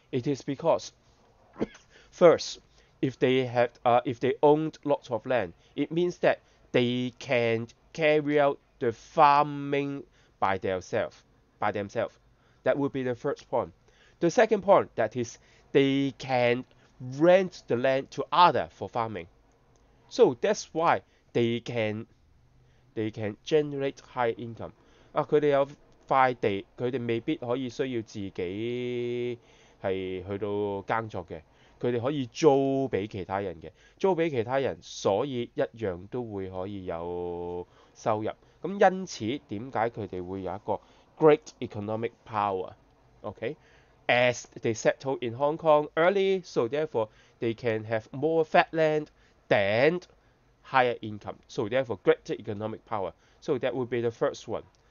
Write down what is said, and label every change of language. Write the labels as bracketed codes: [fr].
[en] It is because first, if they owned lots of land, it means that they can carry out the farming by themselves. That would be the first point. The second point, that is, they can rent the land to others for farming. So that's why they can generate high income. [yue] 啊，佢哋有塊地，佢哋未必可以需要自己係去到耕作嘅，佢哋可以租俾其他人嘅，租俾其他人，所以一樣都會可以有收入。咁因此點解佢哋會有一個 [en] great economic power？Okay, as they settle in Hong Kong early, so therefore they can have more fat land than higher income. So therefore great economic power. So that would be the first one.